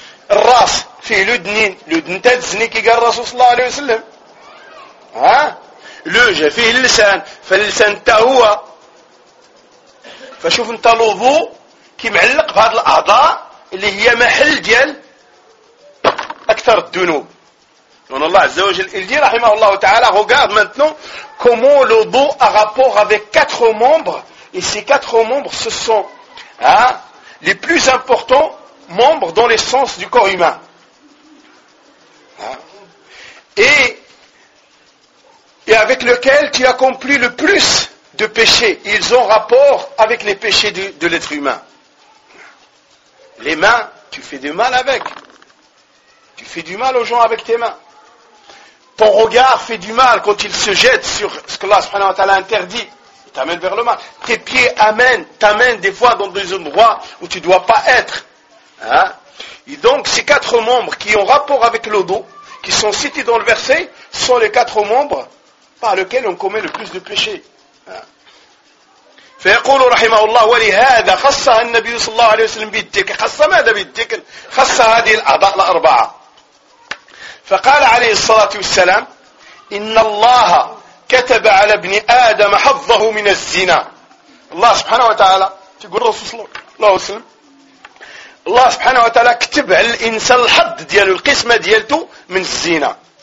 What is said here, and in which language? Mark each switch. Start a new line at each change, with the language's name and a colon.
Arabic: الراس فيه لدنين لدن تتزني كي قال الرسول صلى الله عليه وسلم ها الوجه فيه اللسان فاللسان تا هو. فشوف انت الوضوء كي معلق بهذه الاعضاء اللي هي محل ديال اكثر الذنوب.
French: Non, Allah Azza wa Jalla, il dit, rahimahullah ta'ala, regarde maintenant comment le dos a rapport avec quatre membres. Et ces quatre membres, ce sont hein, les plus importants membres dans les sens du corps humain. et avec lequel tu accomplis le plus de péchés. Ils ont rapport avec les péchés de l'être humain. Les mains, tu fais du mal avec. Tu fais du mal aux gens avec tes mains. Ton regard fait du mal quand il se jette sur ce que Allah subhanahu wa ta'ala interdit. Il t'amène vers le mal. Tes pieds t'amènent des fois dans des endroits où tu ne dois pas être. Hein? Et donc, ces quatre membres qui ont rapport avec le dos, qui sont cités dans le verset, sont les quatre membres par lesquels on commet le plus de péchés.
Arabic: فيقول رحمه الله ولهذا خص النبي صلى الله عليه وسلم بالذكر خص ماذا بالذكر خص هذه الأعضاء الأربعة فقال عليه الصلاة والسلام إن الله كتب على ابن آدم حظه من الزنا الله سبحانه وتعالى تقول رسول الله صلى الله عليه وسلم الله سبحانه وتعالى كتب على الإنسان الحظ دياله القسمة ديالته من الزنا